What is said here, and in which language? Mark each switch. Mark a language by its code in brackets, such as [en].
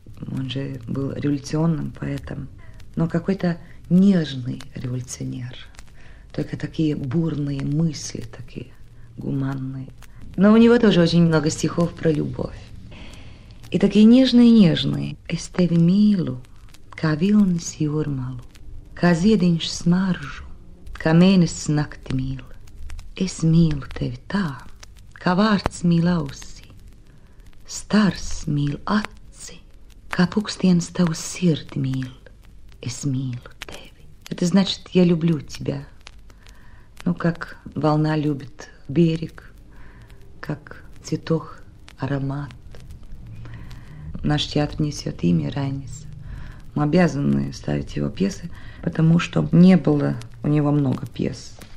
[ru] Он же был революционным поэтом. Но какой-то нежный революционер. Только такие бурные мысли, такие гуманные. Но у него тоже очень много стихов про любовь. И такие нежные-нежные. [lv] «Эстеви милу, кавилн сиурмалу, kā ziediņš smaržu, kā mēnesis nakti mīl. Es mīlu tevi tā, kā vārds mīl ausi, stars mīl aci, kā pukstiens tavu sirdi mīl. Es mīlu tevi. [ru] Это значит, я люблю тебя. Ну, как волна любит берег, как цветок аромат. Наш театр несет имя Райниса. Мы обязаны ставить его пьесы, потому что не было у него много пьес.